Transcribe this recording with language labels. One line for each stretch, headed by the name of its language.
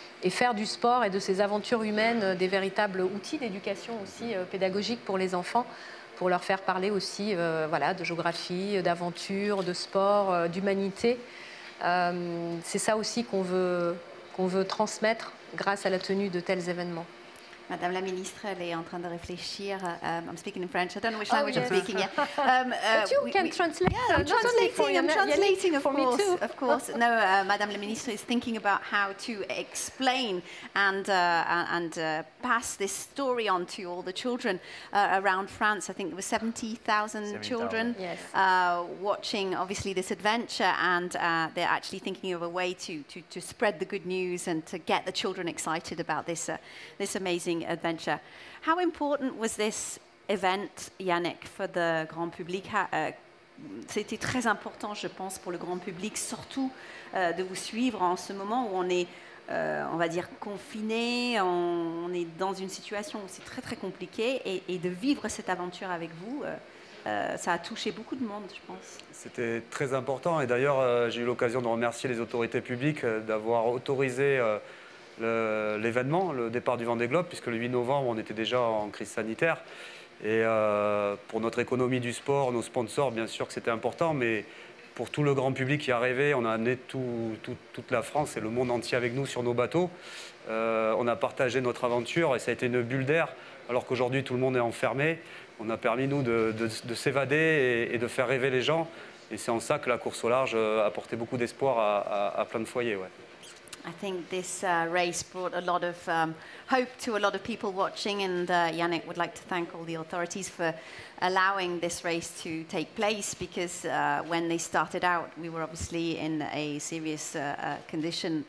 French: Et faire du sport et de ces aventures humaines des véritables outils d'éducation aussi pédagogiques pour les enfants, pour leur faire parler aussi de géographie, d'aventure, de sport, d'humanité. C'est ça aussi qu'on veut transmettre grâce à la tenue de tels événements. Madame la ministre, elle est en train de réfléchir.
English: I'm speaking in French. I don't know which language I'm speaking yet. But you can translate. Yeah, I'm translating, of course. Of course. No, Madame la ministre is thinking about how to explain and pass this story on to all the children around France. I think there were 70,000 children watching, obviously, this adventure, and they're actually thinking of a way to spread the good news and to get the children excited about this this amazing adventure. How important was this event, Yannick, for the grand public?
French: C'était très important, je pense, pour le grand public, surtout de vous suivre en ce moment où on est, on va dire, confiné, on est dans une situation où c'est très, très compliqué, et de vivre cette aventure avec vous, ça a touché beaucoup de monde, je pense. C'était très important, et d'ailleurs, j'ai eu l'occasion de remercier les autorités publiques d'avoir autorisé l'événement, le départ du Vendée Globe, puisque le 8 novembre, on était déjà en crise sanitaire. Et pour notre économie du sport, nos sponsors, bien sûr que c'était important, mais pour tout le grand public qui arrivait, on a amené toute la France et le monde entier avec nous sur nos bateaux. On a partagé notre aventure et ça a été une bulle d'air, alors qu'aujourd'hui, tout le monde est enfermé. On a permis, nous, de s'évader et de faire rêver les gens. Et c'est en ça que la course au large a apporté beaucoup d'espoir à plein de foyers. Ouais.
English: I think this race brought a lot of hope to a lot of people watching, and Yannick would like to thank all the authorities for allowing this race to take place, because when they started out, we were obviously in a serious condition.